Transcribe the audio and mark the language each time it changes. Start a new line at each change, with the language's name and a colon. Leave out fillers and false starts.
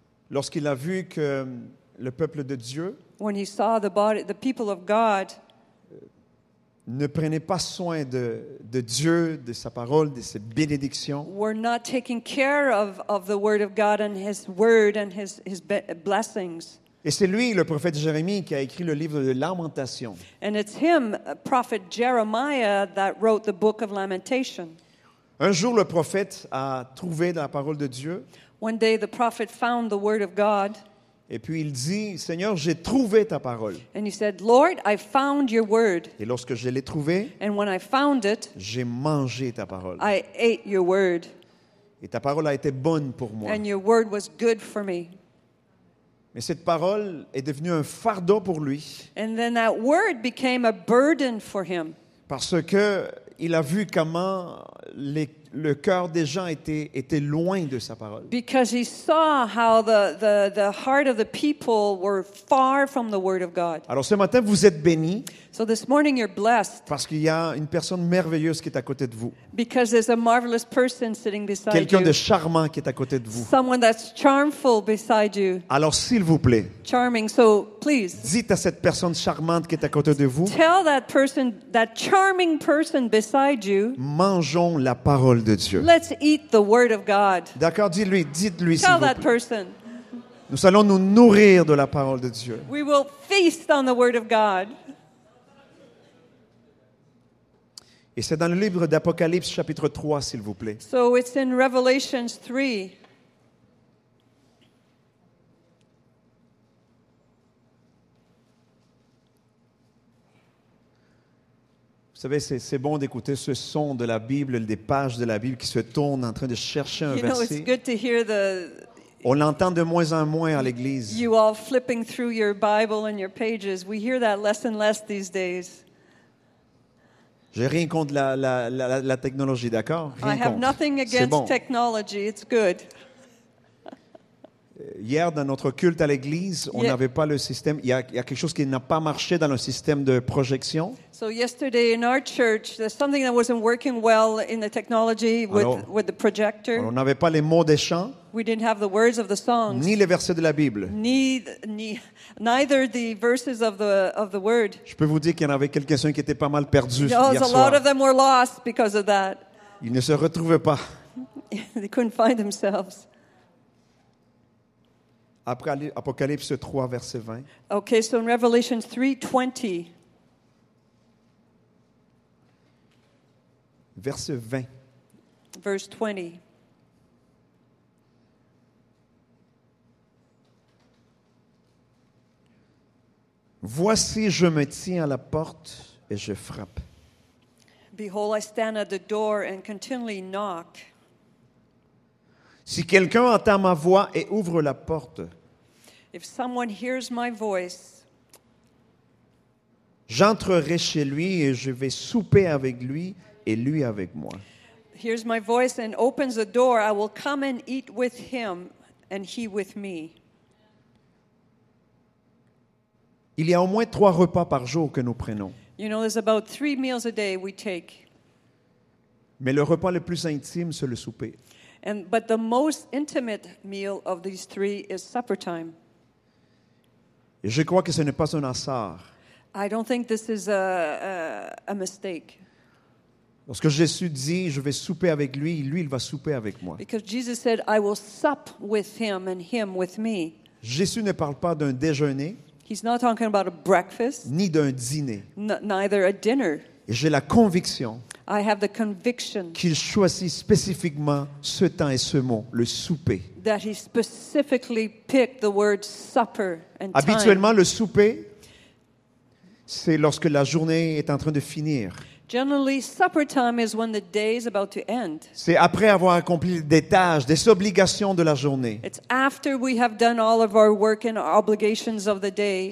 French: Lorsqu'il a vu que le peuple de Dieu
English: when he saw the people of God
French: ne prenaient pas soin de Dieu, de sa parole, de ses bénédictions,
English: were not taking care of the word of God and his word and his blessings.
French: Et c'est lui, le prophète Jérémie, qui a écrit le livre de Lamentations.
English: And it's him, prophet Jeremiah, that wrote the book of Lamentation.
French: Un jour, le prophète a trouvé la parole de Dieu.
English: One day, the prophet found the word of God.
French: Et puis il dit, Seigneur, j'ai trouvé ta parole.
English: And he said, Lord, I found your word.
French: Et lorsque je l'ai trouvé,
English: and when I found it,
French: j'ai mangé ta parole.
English: I ate your word.
French: Et ta parole a été bonne pour moi.
English: And your word was good for me.
French: Mais cette parole est devenue un fardeau pour lui.
English: And then that word became a burden for him.
French: Parce que il a vu comment le cœur des gens était loin de sa parole.
English: Because he saw how the heart of the people were far from the word of God.
French: Alors ce matin vous êtes bénis.
English: So this morning you're blessed.
French: Parce qu'il y a une personne merveilleuse qui est à côté de vous.
English: Because there's a marvelous person sitting beside you.
French: Quelqu'un de charmant qui est à côté de vous.
English: Someone that's charmful beside you.
French: Alors s'il vous plaît.
English: Charming, so please.
French: Dites à cette personne charmante qui est à côté de vous.
English: Tell that charming person beside you.
French: Mangeons la parole de Dieu.
English: Let's eat the word of God.
French: D'accord, dites-lui s'il vous plaît.
English: Tell that person.
French: Nous allons nous nourrir de la parole de Dieu.
English: We will feast on the word of God.
French: Et c'est dans le livre d'Apocalypse, chapitre 3, s'il vous plaît.
English: So it's in Revelation 3.
French: Vous savez, c'est bon d'écouter ce son de la Bible, des pages de la Bible qui se tournent en train de chercher un verset.
English: It's good to hear the...
French: On l'entend de moins en moins à l'église.
English: You all flipping through your Bible and your pages. We hear that less and less these days.
French: J'ai rien contre la technologie, d'accord? Rien
English: I have
French: contre.
English: Nothing against
French: c'est bon.
English: Technology. It's good.
French: Hier, dans notre culte à l'église, on n'avait pas le système. Il y a quelque chose qui n'a pas marché dans le système de projection.
English: So yesterday in our church, there's something that wasn't working well in the technology with the projector.
French: On n'avait pas les mots des chants.
English: We didn't have the words of the songs.
French: Ni les versets de la Bible.
English: Neither the verses of the word.
French: Je peux vous dire qu'il y en avait quelques-uns qui étaient pas mal perdus hier soir.
English: A lot of them were lost because of that.
French: Ils ne se retrouvaient pas.
English: They couldn't find themselves.
French: Après Apocalypse 3, verset 20.
English: Okay, so in Revelation 3, 20.
French: Verset 20.
English: Verse 20.
French: Voici, je me tiens à la porte et je frappe.
English: Behold, I stand at the door and continually knock.
French: Si quelqu'un entend ma voix et ouvre la porte,
English: if someone hears my voice,
French: j'entrerai chez lui et je vais souper avec lui et lui avec moi.
English: Hears my voice and opens the door, I will come and eat with him and he with me.
French: Il y a au moins trois repas par jour que nous prenons.
English: You know, there's about three meals a day we take.
French: Mais le repas le plus intime, c'est le souper.
English: But the most intimate meal of these three is supper time.
French: Et je crois que ce n'est pas un hasard.
English: I don't think this is a mistake.
French: Lorsque Jésus dit, je vais souper avec lui, lui, il va souper avec moi.
English: Because Jesus said, I will sup with him and him with me.
French: Jésus ne parle pas d'un déjeuner.
English: He's not talking about a breakfast.
French: Ni d'un dîner.
English: Neither a dinner.
French: Et j'ai la conviction.
English: I have the conviction.
French: Qu'il choisit spécifiquement ce temps et ce mot, le souper.
English: That he specifically picked the word supper and time.
French: Habituellement, le souper, c'est lorsque la journée est en train de finir.
English: Generally, supper time is when the day is about to end.
French: C'est après avoir accompli des tâches, des obligations de la journée.
English: It's after we have done all of our work and our obligations of the day.